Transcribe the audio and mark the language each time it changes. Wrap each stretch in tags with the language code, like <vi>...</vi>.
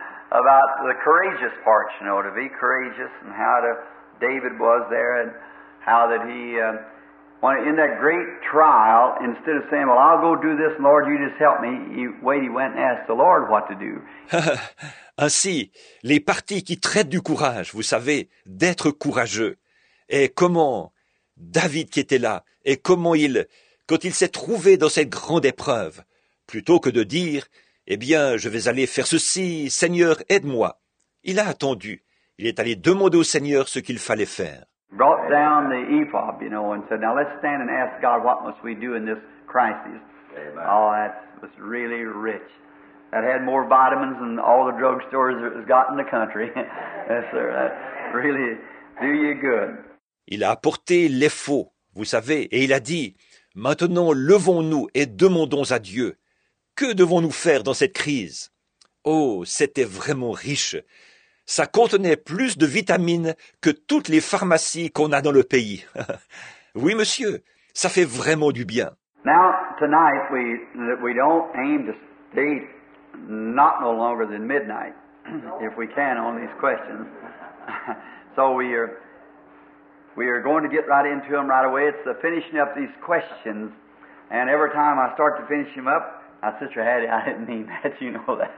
<en>About the courageous part, you know, to be courageous and how David was there and how that he, in that great trial, instead of saying, well, I'll go do this, Lord, you just help me, he went and asked the Lord what to do.</en> <fr>Ainsi, les parties qui traitent du courage, vous savez, d'être courageux, et comment David qui était là, et comment il, quand il s'est trouvé dans cette grande épreuve, plutôt que de dire, eh bien, je vais aller faire ceci, Seigneur, aide-moi. Il a attendu. Il est allé demander au Seigneur ce qu'il fallait faire.</fr> <en>Brought down the ephod, you know, and said, now let's stand and ask God, what must we do in this crisis? Amen. Oh, that was really rich. That had more vitamins than all the drugstores has got in the country. Yes, sir, that really do you good.</en> <fr>Il a apporté l'effort, vous savez, et il a dit, « Maintenant, levons-nous et demandons à Dieu. Que devons-nous faire dans cette crise ?» Oh, c'était vraiment riche. Ça contenait plus de vitamines que toutes les pharmacies qu'on a dans le pays. Oui, monsieur, ça fait vraiment du bien.</fr> <en>Now, tonight, we don't aim to stay not no longer than midnight, if we can, on these questions. So we are going to get right into them right away. It's the finishing up these questions. And every time I start to finish them up, my sister Hattie, I didn't mean that, you know that.</en>